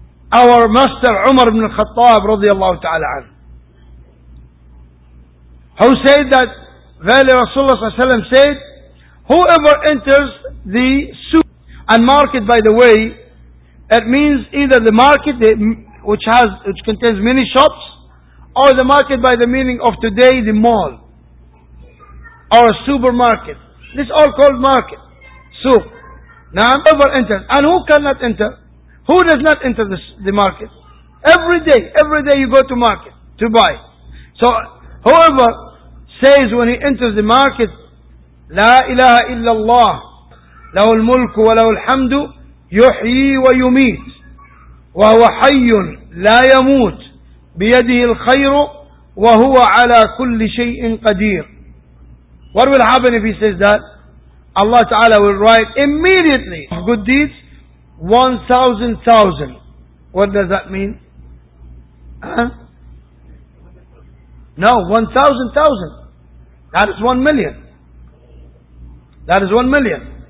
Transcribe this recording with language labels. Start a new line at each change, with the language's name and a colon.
English: Our master Umar ibn al-Khattab radiyallahu ta'ala an, who said that verily Rasulullah sallallahu alayhi wa sallam said, whoever enters the souq and market, by the way, it means either the market which contains many shops, or the market by the meaning of today, the mall or a supermarket. This is all called market, souq. Now, whoever enters, and who cannot enter? Who does not enter the market? Every day you go to market to buy. So, whoever says when he enters the market,
Arabic: لا إله إلا الله له الملك وله الحمد يحيي ويميت وهو حي لا يموت بيده الخير وهو على كل شيء قدير.
English: What will happen if he says that? Allah Ta'ala will write immediately of good deeds 1,000,000. What does that mean? No, 1,000,000. That is 1,000,000. That is 1,000,000.